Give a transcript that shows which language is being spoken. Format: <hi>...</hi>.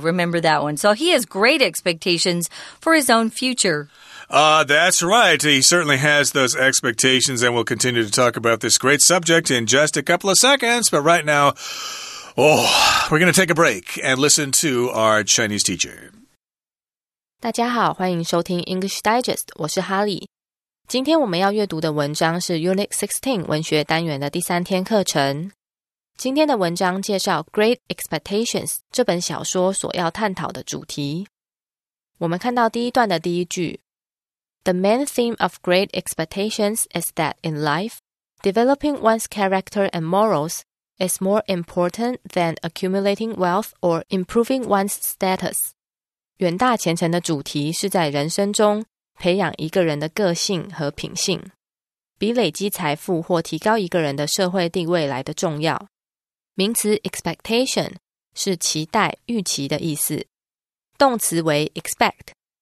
<en>Remember that one. So he has great expectations for his own future. That's right. He certainly has those expectations, and we'll continue to talk about this great subject in just a couple of seconds. But right now, we're going to take a break and listen to our Chinese teacher.</en> <zh>大家好，欢迎收听 English Digest， 我是哈利。今天我们要阅读的文章是 Unit 16文学单元的第三天课程。今天的文章介绍 Great Expectations 这本小说所要探讨的主题。我们看到第一段的第一句。</zh> <en>The main theme of Great Expectations is that in life, developing one's character and morals is more important than accumulating wealth or improving one's status.</en> <zh>远大前程的主题是在人生中培养一个人的个性和品性，比累积财富或提高一个人的社会地位来得重要。名词 expectation 是期待、预期的意思，动词为 expect。</zh>